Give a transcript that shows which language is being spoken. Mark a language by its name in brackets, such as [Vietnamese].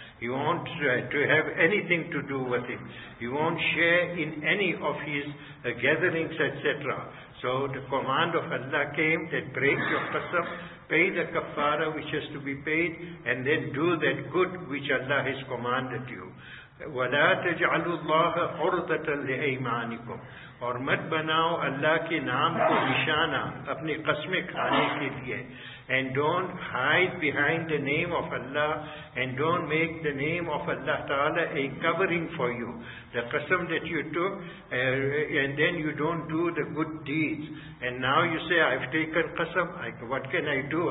[English] He won't to have anything to do with him. He won't share in any of his gatherings, etc. So the command of Allah came that break your qasam, pay the kafara which has to be paid, and then do that good which Allah has commanded you. [Arabic] وَلَا تَجْعَلُوا اللَّهَ عُرْضَةً لِأَيْمَانِكُمْ, [Urdu] اور مت بناو اللہ کے نام کو نشانہ اپنی قسمیں کھانے کے لیے. [English] And don't hide behind the name of Allah, and don't make the name of Allah Ta'ala a covering for you. The qasam that you took, and then you don't do the good deeds. And now you say, I've taken qasam, what can I do?